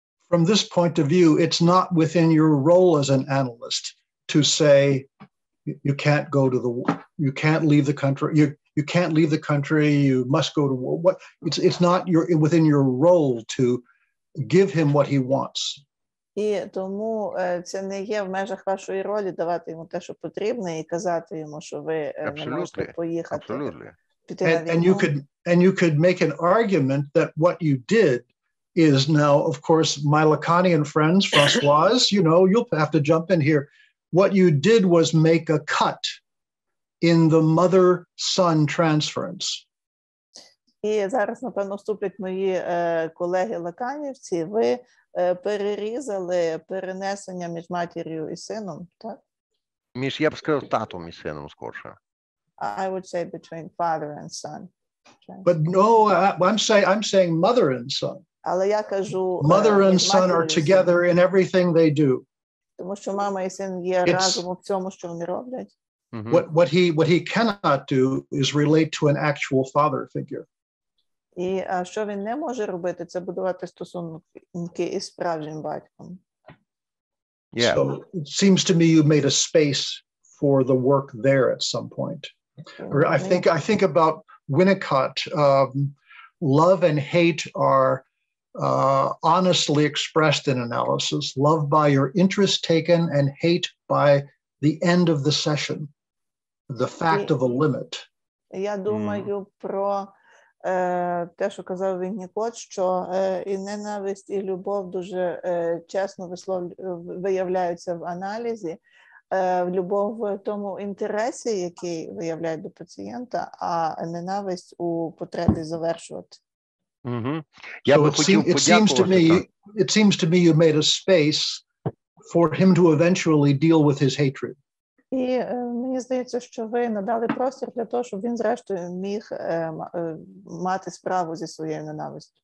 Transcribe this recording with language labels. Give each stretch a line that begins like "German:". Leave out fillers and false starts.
English: From this point of view, it's not within your role as an analyst to say you can't go to the, you can't leave the country, you can't leave the country, you must go to war. What it's not your within your role to give him what he wants.
Ukrainian: І тому це не є в межах вашої ролі давати йому те, що потрібно, і казати йому, що ви не можете поїхати.
English: And you could make an argument that what you did is now, of course, my Lacanian friends, Françoise, you know, you'll have to jump in here. What you did was make a cut in the mother-son transference.
Ukrainian: І зараз, напевно, вступлять мої колеги-лаканівці. Ви перерізали перенесення між матір'ю і сином, так? Між, я б сказав, татом і сином, скорше.
English: I would say between father and son. But no, I'm saying mother and son.
Ukrainian: Але я кажу,
English: mother and son are together in everything they do.
Ukrainian: Тому що мама і син є разом у всьому, що вони роблять.
English: What he cannot do is relate to an actual father figure.
Ukrainian: І що він не може робити, це будувати стосунки із справжнім батьком.
English: Yeah. So it seems to me you made a space for the work there at some point. I think about Winnicott, love and hate are honestly expressed in analysis. Love by your interest taken and hate by the end of the session, the fact of a limit.
Ukrainian: Я думаю про те, що казав Вінікот, що і ненависть, і любов дуже чесно виявляються в аналізі, в любов в тому інтересі, який виявляють до пацієнта, а ненависть у потребі завершувати.
English: It seems to me you made a space for him to eventually deal with his hatred.
Ukrainian: І мені здається, що ви надали простір для того, щоб він зрештою міг мати справу зі своєю ненавистю.